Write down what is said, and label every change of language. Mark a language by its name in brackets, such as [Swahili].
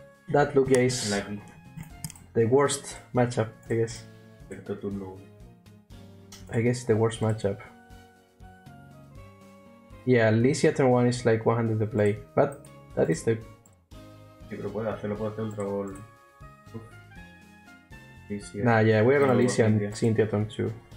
[English] That Lugia is the worst matchup, I guess. I guess the worst matchup. Yeah, Lysia turn 1 is like 100 to play, but that is the... [Spanish] Sí, pero puede hacerlo, puede hacer Ultra Ball. [English] Nah, yeah, we are gonna Lysia and Cynthia turn 2.